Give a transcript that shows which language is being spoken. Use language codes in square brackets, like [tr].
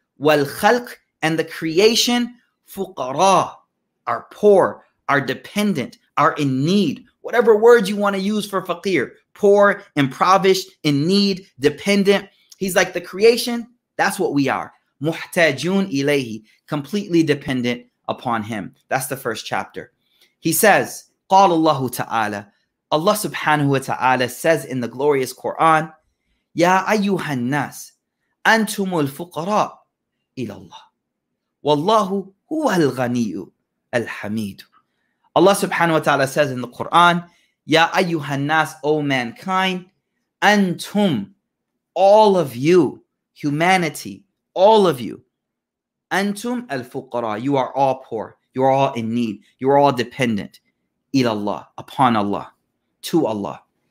[en] Wal khalq, and the creation, fuqara, are poor, are dependent, are in need. Whatever word you want to use for faqir, poor, impoverished, in need, dependent. He's like, the creation, that's what we are. [ar] Muhtajun ilayhi, [en] completely dependent upon him. That's the first chapter. He says, [ar] قال الله تعالى, Allah subhanahu wa ta'ala [en] says in the glorious Quran, [ar] يا أيها الناس أنتم الفقراء إلى الله والله هو الغني الحميد. [en] Allah subhanahu wa ta'ala says in the Quran, [ar] يا أيها الناس, [en] O mankind, أنتم, all of you, humanity, all of you, [ar] أنتم الفقراء, [en] you are all poor, you are all in need, you are all dependent, [ar] إلى الله, [en] upon Allah, to Allah.